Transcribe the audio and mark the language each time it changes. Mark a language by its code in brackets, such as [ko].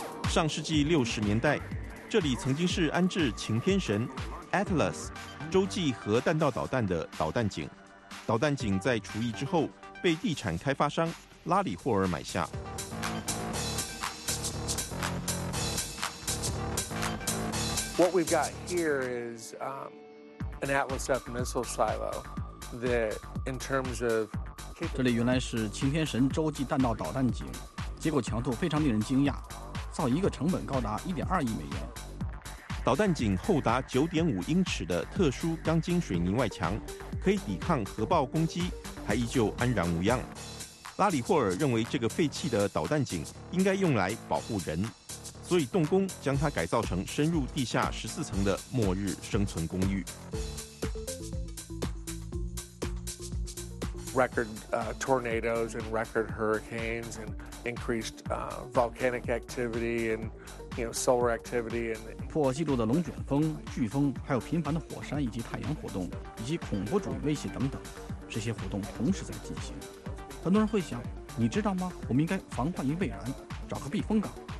[zh] 上世纪60年代，这里曾经是安置擎天神 Atlas 洲际核弹道导弹的导弹井，导弹井在除役之后被地产开发商拉里霍尔买下。 [en] What we've got here is an Atlas F missile silo that, in terms of, [zh] 这里原来是擎天神洲际弹道导弹井，结构强度非常令人惊讶，造一个成本高达$1.2亿。导弹井厚达9.5英尺的特殊钢筋水泥外墙，可以抵抗核爆攻击，还依旧安然无恙。拉里霍尔认为这个废弃的导弹井应该用来保护人，所以动工将它改造成深入地下14层的末日生存公寓。 [en] Record tornadoes and record hurricanes and increased volcanic activity and solar activity and [zh] 破纪录的龙卷风、飓风，还有频繁的火山以及太阳活动，以及恐怖主义威胁等等，这些活动同时在进行。很多人会想，你知道吗？我们应该防患于未然，找个避风港。